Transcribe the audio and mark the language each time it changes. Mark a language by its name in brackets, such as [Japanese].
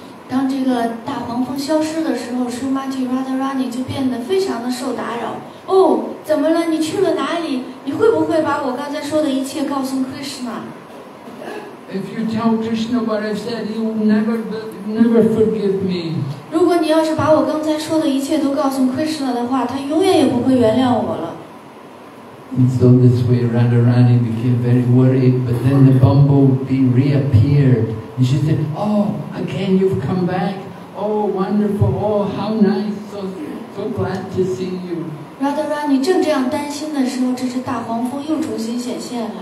[Chinese] 当这个大黄蜂消失的时候 ，Srimati Radharani 就变得非常的受打扰。哦，怎么了？你去了哪里？你会不会把我刚才说的一切告诉 Krishna？ [English] If you tell Krishna what I said, he will never forgive me. [Chinese] 如果你要是把我刚才说的一切都告诉 Krishna 的话，他永远也不会原谅我了。 [English] And so this way, Radharani became very worried, but then the bumblebee reappeared, and she said, "Oh, again, you've come back. Oh, wonderful. Oh, how nice. So glad to see you." [Chinese] Radharani 正这样担心的时候，这只大黄蜂又重新显现了。